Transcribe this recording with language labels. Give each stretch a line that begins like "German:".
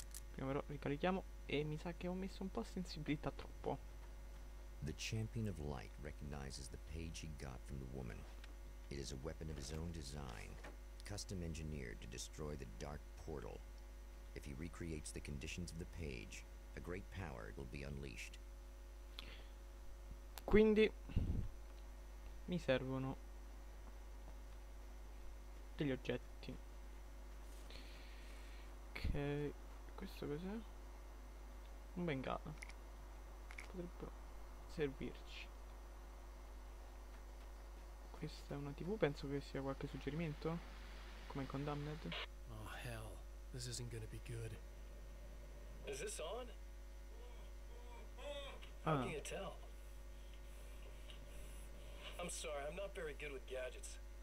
Italian: Prima però ricarichiamo e mi sa che ho messo un po' sensibilità troppo.
English: The champion of light recognizes the page he got from the woman. It is a weapon of his own design, custom engineered to destroy the dark portal. If he recreates the conditions of the page, a great power will be unleashed.
Italian: Quindi mi servono degli oggetti. Ok. Questo cos'è? Un bengala. Potrebbe servirci. Questa è una TV, penso che sia qualche suggerimento. Come Condamned.
English: Oh hell, this isn't gonna be good. Is this on? Ah. How can you tell? I'm sorry, I'm not very good with gadgets.